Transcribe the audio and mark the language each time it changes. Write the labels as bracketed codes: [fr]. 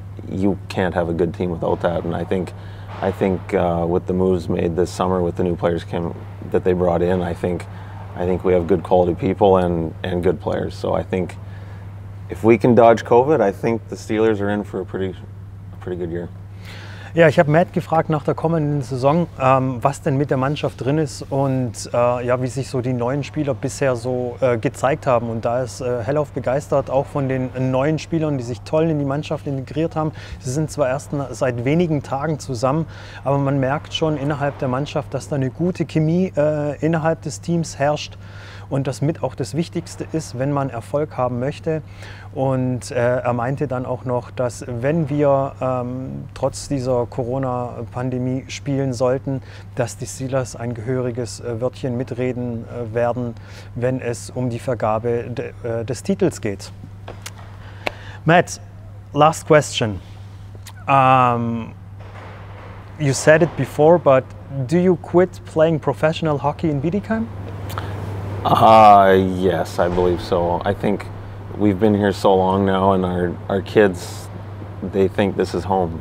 [en] You can't have a good team without that. And I think with the moves made this summer with the new players that they brought in, I think we have good quality people and good players. So I think if we can dodge COVID, I think the Steelers are in for a pretty good year. [de] Ja, ich habe Matt gefragt nach der kommenden Saison, was denn mit der Mannschaft drin ist und ja, wie sich so die neuen Spieler bisher so gezeigt haben. Und da ist hellauf begeistert, auch von den neuen Spielern, die sich toll in die Mannschaft integriert haben. Sie sind zwar erst seit wenigen Tagen zusammen, aber man merkt schon innerhalb der Mannschaft, dass da eine gute Chemie innerhalb des Teams herrscht. Und das mit auch das Wichtigste ist, wenn man Erfolg haben möchte. Und er meinte dann auch noch, dass wenn wir trotz dieser Corona-Pandemie spielen sollten, dass die Steelers ein gehöriges Wörtchen mitreden werden, wenn es um die Vergabe des Titels geht. [en] Matt, last question. You said it before, but do you quit playing professional hockey in Bietigheim? Yes, I believe so. I think we've been here so long now, and our kids, they think this is home.